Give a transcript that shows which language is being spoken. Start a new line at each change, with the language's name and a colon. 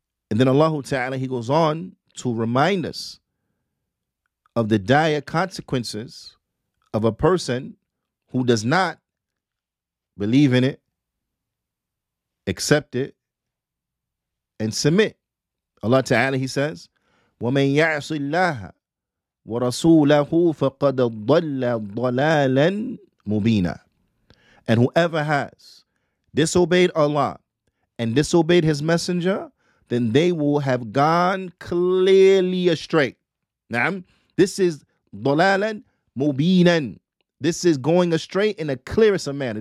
English: And then Allah Ta'ala, he goes on to remind us of the dire consequences of a person who does not believe in it, accept it, and submit. Allah Ta'ala, he says,
Arabic: وَمَنْ يَعْصِ اللَّهَ وَرَسُولَهُ فَقَدْ ضَلَّ ضَلَالًا مُبِينًا.
English: And whoever has disobeyed Allah and disobeyed his messenger, then they will have gone clearly astray.
Arabic: Na'am.
English: This is
Arabic: ضَلَالًا مُبِينًا.
English: This is going astray in the clearest of manner.